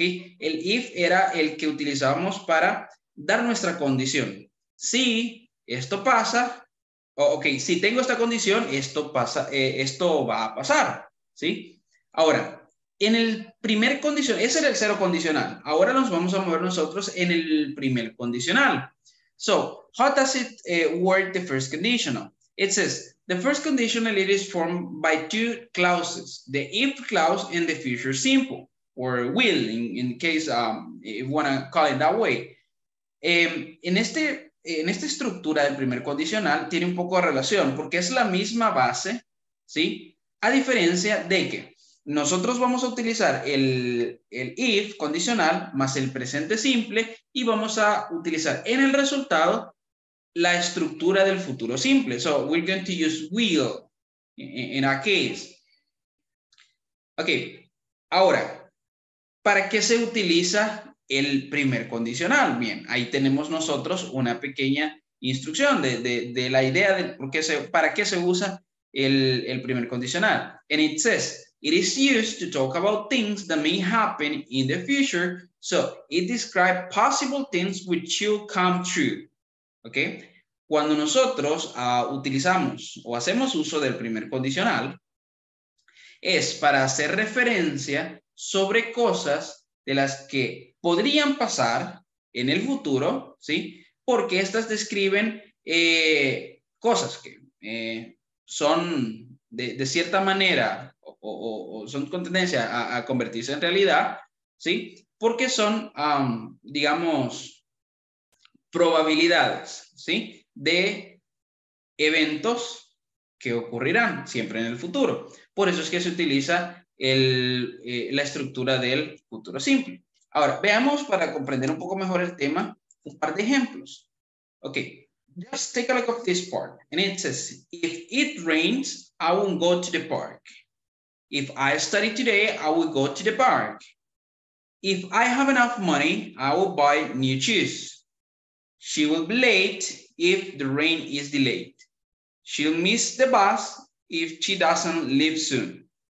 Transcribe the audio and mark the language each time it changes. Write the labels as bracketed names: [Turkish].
[Spanish] El if era el que utilizábamos para dar nuestra condición. Si esto pasa, ok, si tengo esta condición, esto pasa, esto va a pasar, ¿sí? Ahora, en el primer condicional, ese era el cero condicional. Ahora nos vamos a mover nosotros en el primer condicional. [English] So, how does it work the first conditional? It says, the first conditional is formed by two clauses, the if clause and the future simple, or will, in case if you want to call it that way. [Spanish] En esta estructura del primer condicional tiene un poco de relación, porque es la misma base, ¿sí? A diferencia de que nosotros vamos a utilizar el if condicional más el presente simple y vamos a utilizar en el resultado la estructura del futuro simple. [English] So, we're going to use will in our case. [Spanish] Ok, ahora, ¿para qué se utiliza el primer condicional? Bien, ahí tenemos nosotros una pequeña instrucción de la idea de para qué se usa el primer condicional. [English] And it says, it is used to talk about things that may happen in the future, so it describes possible things which will come true. ¿Ok? [Spanish] Cuando nosotros utilizamos o hacemos uso del primer condicional, es para hacer referencia sobre cosas de las que podrían pasar en el futuro, ¿sí? Porque estas describen cosas que... son de cierta manera o son con tendencia a convertirse en realidad, ¿sí? Porque son, digamos, probabilidades, ¿sí? De eventos que ocurrirán siempre en el futuro. Por eso es que se utiliza la estructura del futuro simple. Ahora, veamos para comprender un poco mejor el tema, un par de ejemplos. [English] Ok, just take a look at this part. And it says, if it rains, I won't go to the park. If I study today, I will go to the park. If I have enough money, I will buy new shoes. She will be late if the rain is delayed. She'll miss the bus if she doesn't leave soon.